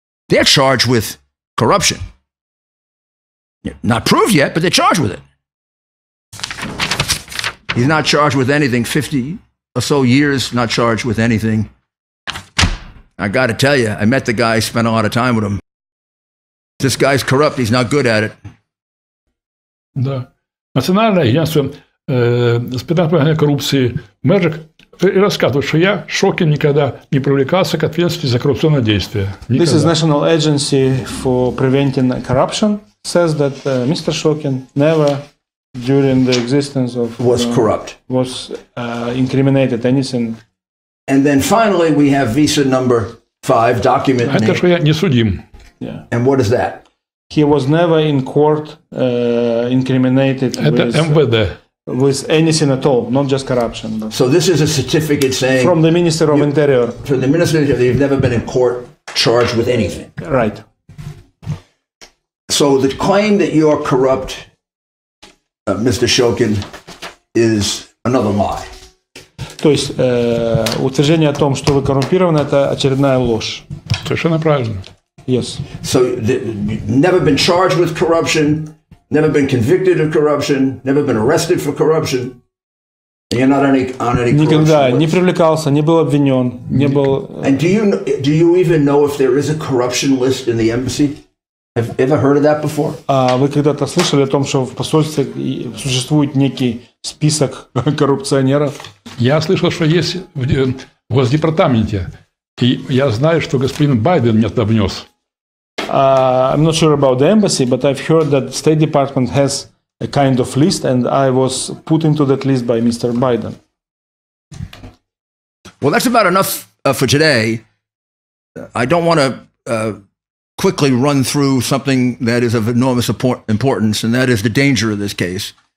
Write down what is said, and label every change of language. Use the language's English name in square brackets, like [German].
[English] They're charged with corruption. Not proved yet, but they're charged with it. He's not charged with anything. 50 or so years, not charged with anything. I got to tell you, I met the guy, spent a lot of time with him. This guy's corrupt. He's not good at it. [Russian] Да. Национальное агентство спецпрограммы коррупции Мэрик и рассказывает, что я, Шокин, никогда не привлекался к ответственности за коррупционные действия. Никогда. [English] This is National Agency for Preventing Corruption says that Mr. Shokin never, during the existence of... Was corrupt. Was incriminated anything. And then finally we have visa number 5 document. [Russian] Это что я не судим. [English] Yeah. And what is that? He was never in court incriminated. [Russian] Это [English] with [Russian] МВД. [English] With anything at all, not just corruption. So this is a certificate saying... From the Minister of Interior. From the Minister of Interior, they've never been in court charged with anything. Right. So the claim that you're corrupt, Mr. Shokin, is another lie. [Russian] То есть утверждение о том, что вы коррумпированы, это очередная ложь. Совершенно правильно. [English] Yes. So you've never been charged with corruption... Never been convicted of corruption, never been arrested for corruption. And you're not on any corruption. [Russian] Никогда не привлекался, не был обвинён, не был. [English] And do you even know if there is a corruption list in the embassy? Have you ever heard of that before? [Russian] А вы когда-то слышали о том, что в посольстве существует некий список коррупционеров? Я слышал, что есть в госдепартаменте. И я знаю, что господин Байден мне это внёс. [English] I'm not sure about the embassy, but I've heard that State Department has a kind of list, and I was put into that list by Mr. Biden. Well, that's about enough for today. I don't want to quickly run through something that is of enormous importance, and that is the danger of this case.